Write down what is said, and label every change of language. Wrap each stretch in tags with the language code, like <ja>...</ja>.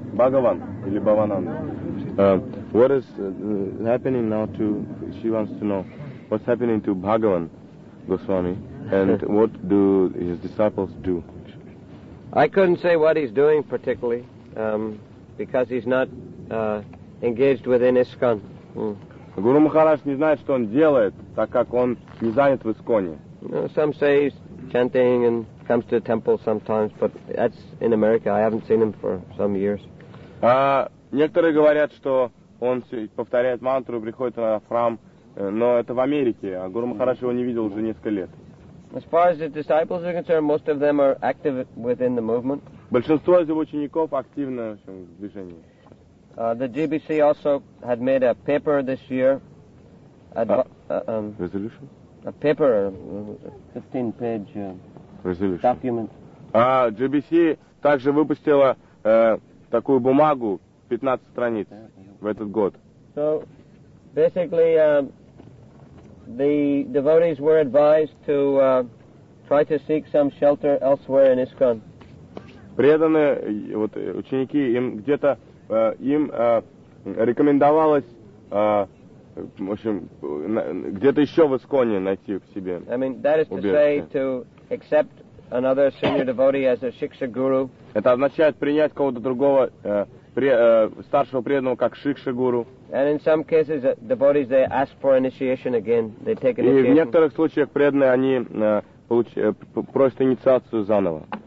<ru>Бхагаван или Бхавананда.</ru> <en>What is happening now to, she wants to know, what's happening to Bhagavan Goswami and what do his disciples do? I couldn't say what he's doing particularly because he's not engaged within ISKCON.</en> <ru>Гуру Махарадж не знает, что он делает, так как он не занят в ISKCON-е.</ru> <en>Some say he's chanting and comes to the temple sometimes, but that's in America. I haven't seen him for some years.</en> <ru>Некоторые говорят, что он повторяет мантру, приходит на храм, но это в Америке, а Гуру Махарадж его не видел уже несколько лет.</ru> <en>As far as the disciples are concerned, most of them are active within the movement.</en> <ru>Большинство из его учеников активно в движении.</ru> <en>The GBC also had made a paper this year. Resolution? A paper, 15-page resolution. Document.</en> <ru>GBC также выпустила такую бумагу, 15 страниц в этот год.</ru> <en>So, basically, the devotees were advised to try to seek some shelter elsewhere in ISKCON.</en> <ru>Преданные, вот ученики, им где-то им рекомендовалось, в общем, где-то еще в ИСККОНе найти к себе убежище.</ru> <en>I mean, that is to say, to accept another senior devotee as a shiksha guru.</en> <ru>Это означает принять кого-то другого старшего преданного как шикша гуру.</ru> <en>And in some cases, devotees they ask for initiation again. They take initiation.</en> <ru>И в некоторых случаях преданные они просят инициацию заново.</ru>